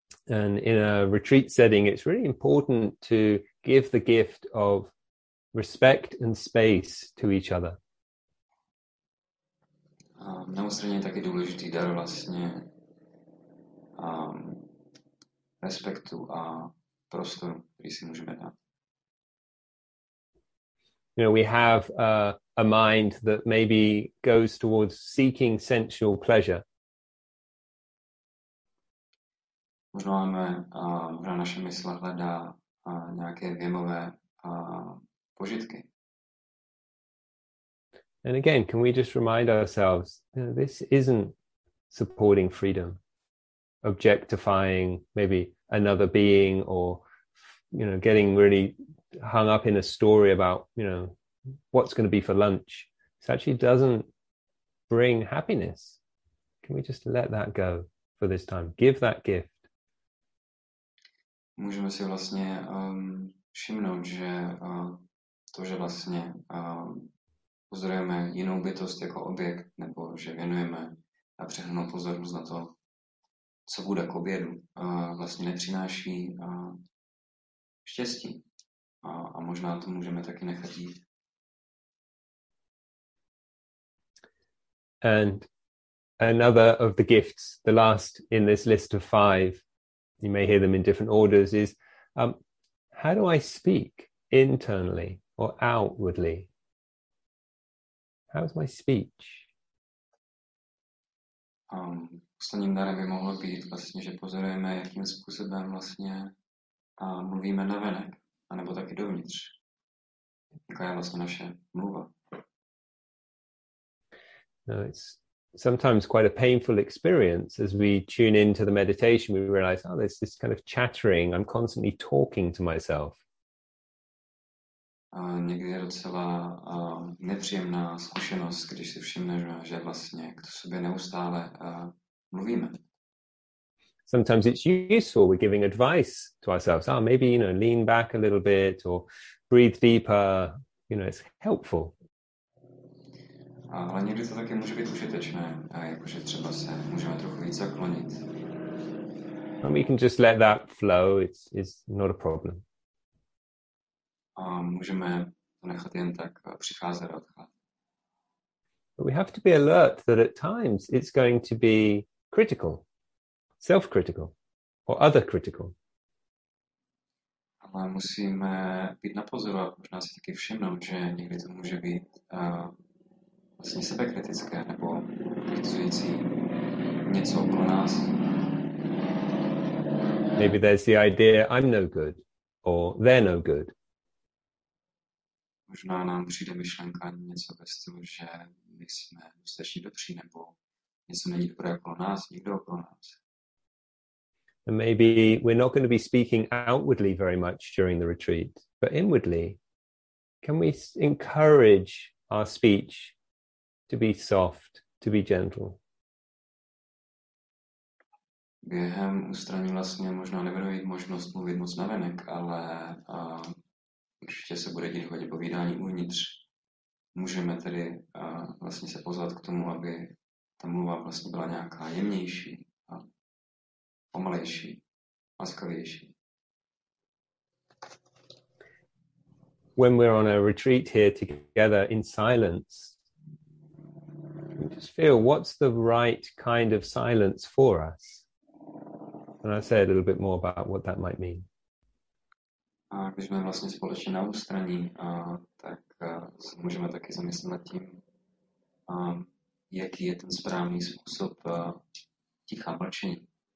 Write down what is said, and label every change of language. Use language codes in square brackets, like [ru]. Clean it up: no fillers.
[en] And in a retreat setting, it's really important to give the gift of respect and space to each other. [cs] Na ústraní je taky důležitý dar vlastně respektu a prostoru, který si můžeme dát. [en] You know, we have a mind that maybe goes towards seeking sensual pleasure. [cs] Možná máme, možná naše mysl hledá nějaké věmové požitky. [en] And again, can we just remind ourselves, you know, this isn't supporting freedom, objectifying maybe another being, or, you know, getting really hung up in a story about, you know, what's going to be for lunch. This actually doesn't bring happiness. Can we just let that go for this time? Give that gift. [cs] Můžeme si vlastně všimnout, že to, že vlastně pozorujeme jinou bytost jako objekt, nebo že věnujeme a přehnanou pozornost na to, co bude k obědu, vlastně nepřináší štěstí. A možná to můžeme taky nechat jít. [en] And another of the gifts, the last in this list of five, you may hear them in different orders, is how do I speak internally or outwardly? How's my speech? [cs] Posledním darem by mohlo být vlastně, že pozorujeme, jakým způsobem vlastně mluvíme navenek, anebo taky dovnitř. Jaká je vlastně naše mluva? [en] Now it's sometimes quite a painful experience as we tune into the meditation, we realize, oh, there's this kind of chattering, I'm constantly talking to myself. [cs] Někdy je docela nepříjemná zkušenost, když si všimneš, že vlastně k sobě neustále mluvíme. [en] Sometimes it's useful, we're giving advice to ourselves, oh, maybe, you know, lean back a little bit or breathe deeper, you know, it's helpful. [cs] Ale někdy to taky může být užitečné, jakože třeba se můžeme trochu víc zaklonit. [en] And we can just let that flow, it's not a problem. [cs] A můžeme to nechat jen tak přicházet a odcházet. [en] But we have to be alert that at times it's going to be critical, self-critical, or other critical. [cs] Ale musíme být na pozoru a možná si taky všimnout, že někdy to může být vlastně sebekritické nebo kritizující něco okolo nás. [en] Maybe there's the idea, I'm no good, or they're no good. [cs] Možná nám přijde myšlenka něco ve stylu, že my jsme dostatečně dobří, nebo něco není dobré okolo nás, nikdo okolo nás. [en] And maybe we're not going to be speaking outwardly very much during the retreat, but inwardly, can we encourage our speech to be soft, to be gentle? [cs] Během ústraní vlastně možná nebude mít možnost mluvit moc navenek, ale určitě se bude dít hodně povídání uvnitř. Můžeme tedy vlastně se pozvat k tomu, aby ta mluva vlastně byla nějaká jemnější, pomalejší, laskavější. [en] When we're on a retreat here together in silence, we just feel, what's the right kind of silence for us? And I'll say a little bit more about what that might mean. [cs] A když jsme vlastně společně na ústraní, tak se můžeme taky zamyslet nad tím, jaký je ten správný způsob ticha mlčení.